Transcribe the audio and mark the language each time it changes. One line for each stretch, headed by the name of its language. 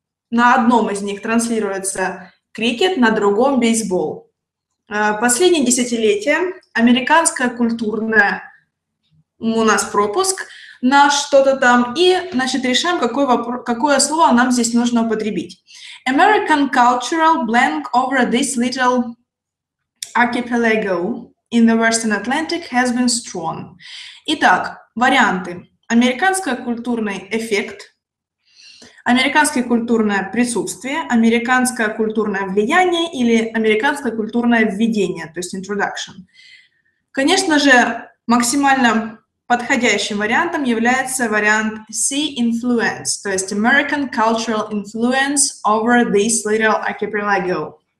Russian: На одном из них транслируется крикет, на другом – бейсбол. Последние десятилетия американская культурная у нас пропуск на что-то там, и, значит, решаем, какое слово нам здесь нужно употребить.
English: American cultural blank over this little archipelago in the Western Atlantic has been strong.
Russian: Итак, варианты. Американский культурный эффект, американское культурное присутствие, американское культурное влияние или американское культурное введение, то есть introduction. Конечно же, максимально подходящим вариантом является вариант C influence, то есть
English: American cultural influence over this little archipelago.